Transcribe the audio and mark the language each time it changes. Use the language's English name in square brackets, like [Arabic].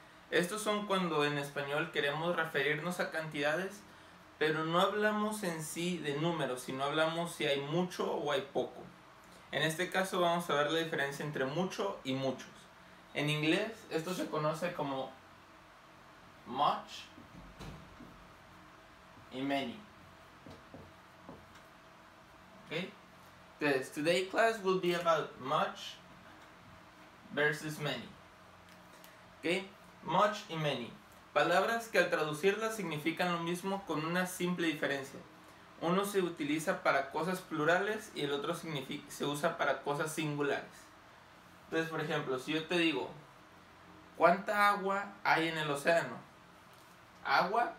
[Spanish] Estos son cuando en español queremos referirnos a cantidades, pero no hablamos en sí de números, sino hablamos si hay mucho o hay poco. En este caso vamos a ver la diferencia entre mucho y muchos. En inglés esto se conoce como much y many. [English] Okay, today class will be about much versus many. [Spanish] Okay, much y many. Palabras que al traducirlas significan lo mismo con una simple diferencia. Uno se utiliza para cosas plurales y el otro se usa para cosas singulares. Entonces, por ejemplo, si yo te digo, ¿cuánta agua hay en el océano? ¿Agua?